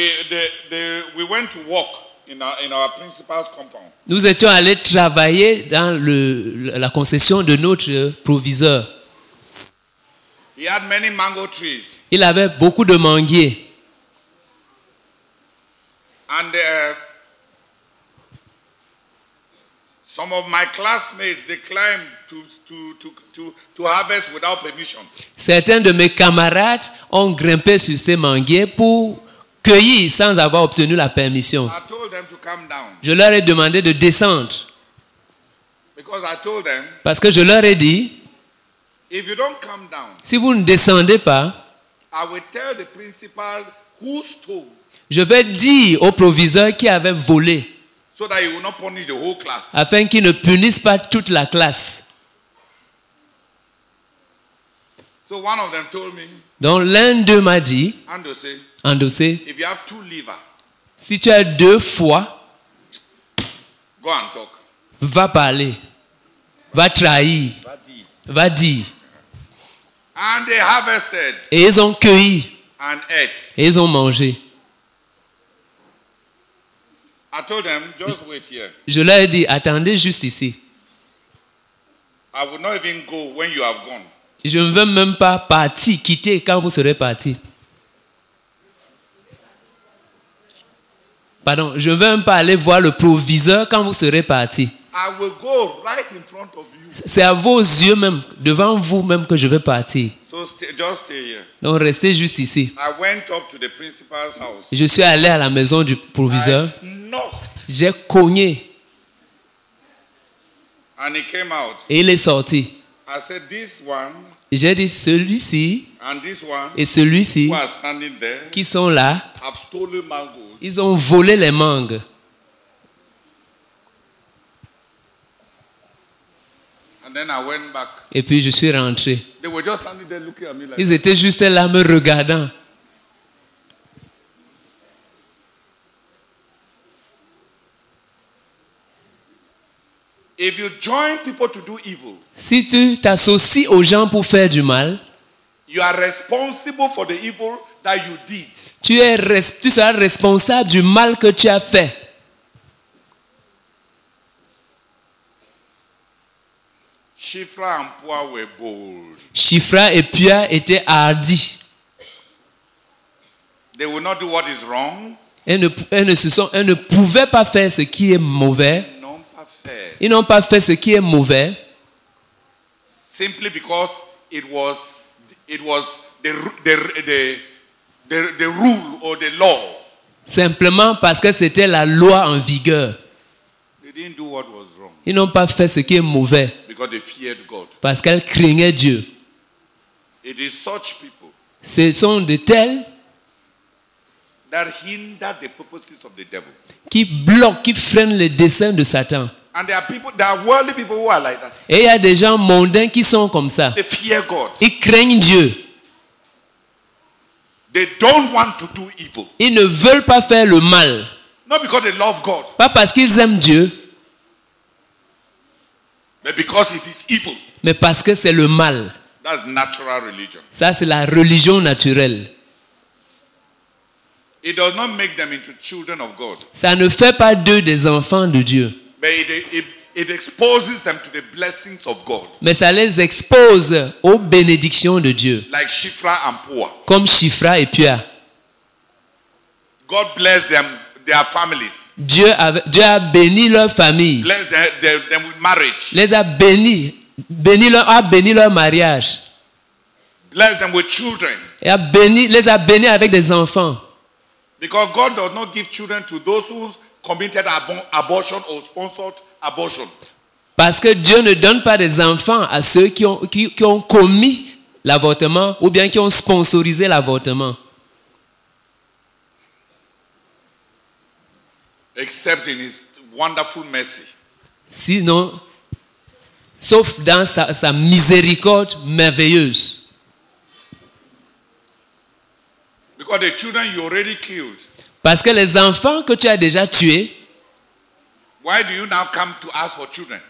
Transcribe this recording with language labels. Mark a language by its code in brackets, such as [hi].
[en] we went to work in our principal's compound. [fr] Nous étions allés travailler dans la concession de notre proviseur. [en] He had many mango trees. [fr] Il avait beaucoup de manguiers. [en] And some of my classmates, they climbed to harvest without permission. [fr] Certains de mes camarades ont grimpé sur ces manguiers pour cueillir sans avoir obtenu la permission. [en] I told them to come down. [fr] Je leur ai demandé de descendre. [en] Because I told them, [fr] parce que je leur ai dit, [en] if you don't come down, [fr] si vous ne descendez pas, [en] I will tell the principal who stole. [fr] Je vais dire au proviseur qui avait volé. [en] So that he will not punish the whole class. [fr] Afin qu'il ne punisse pas toute la classe. [en] So one of them told me, [fr] donc l'un d'eux m'a dit, [en] Andossé, if you have two livres, [fr] si tu as deux fois, go and talk. Va parler, va trahir, va dire. [en] And they harvested, [fr] et ils ont cueilli, [en] and ate. [fr] Et ils ont mangé. [en] I told them, just wait here. [fr] Je leur ai dit, attendez juste ici. [en] I will not even go when you have gone. [fr] Je ne veux même pas partir, quitter quand vous serez parti. Pardon, je ne veux même pas aller voir le proviseur quand vous serez parti. [en] I will go right in front of you. [fr] C'est à vos yeux même, devant vous même que je vais partir. [en] So just stay here. [fr] Donc restez juste ici. [en] I went up to the principal's house. [fr] Je suis allé à la maison du proviseur. J'ai cogné. [en] And he came out. [fr] Et il est sorti. [en] I said, this one, [fr] j'ai dit celui-ci [en] and this one, [fr] et celui-ci [en] who are standing there, [fr] qui sont là, [en] have stolen mangoes. [fr] Ils ont volé les mangues. [en] And then I went back. [fr] Et puis je suis rentré. [en] They were just standing there looking at me like [fr] ils étaient that. Juste là me regardant. [en] If you join people to do evil, [fr] si tu t'associes aux gens pour faire du mal, [en] you are responsible for the evil that you did. [fr] Tu seras responsable du mal que tu as fait. [en] Shifra and Pua were bold. [fr] Shifra et Pua étaient hardis. [en] They will not do what is wrong. [fr] Elles ne pouvaient pas faire ce qui est mauvais. Ils n'ont pas fait ce qui est mauvais. [en] Simply because it was the rule or the law. [fr] Simplement parce que c'était la loi en vigueur. [en] They didn't do what was wrong. [fr] Ils n'ont pas fait ce qui est mauvais. [en] Because they feared God. [fr] Parce qu'elles craignaient Dieu. [en] It is such people. [fr] Ce sont de tels [en] that hinder the purposes of the devil. [fr] Qui bloquent, qui freinent les desseins de Satan. [en] And there are people, there are worldly people who are like that. [fr] Et il y a des gens mondains qui sont comme ça. [en] They fear God. [fr] Ils craignent Dieu. [en] They don't want to do evil. [fr] Ils ne veulent pas faire le mal. [en] Not because they love God. [fr] Pas parce qu'ils aiment Dieu. [en] But because it is evil. [fr] Mais parce que c'est le mal. [en] That's natural religion. [fr] Ça, c'est la religion naturelle. [en] It does not make them into children of God. [fr] Ça ne fait pas d'eux des enfants de Dieu. [en] It exposes them to the blessings of God. [fr] Mais ça les expose aux bénédictions de Dieu. [en] Like Shifra and Pua. [fr] Comme Shifra et Pua. [en] God bless them, their families. [fr] Dieu a béni leur famille. [en] Bless them with marriage. [fr] Les a béni leur mariage. [en] Bless them with children. [fr] Et a béni, les a bénis avec des enfants. [en] Because God does not give children to those who committed abortion or sponsored abortion. [fr] Parce que Dieu ne donne pas des enfants à ceux qui ont commis l'avortement ou bien qui ont sponsorisé l'avortement. [en] Except in his wonderful mercy. [fr] Sinon, sauf dans sa miséricorde merveilleuse. [en] Because the children you already killed. [fr] Parce que les enfants que tu as déjà tués, [en] why do you now come to ask for children?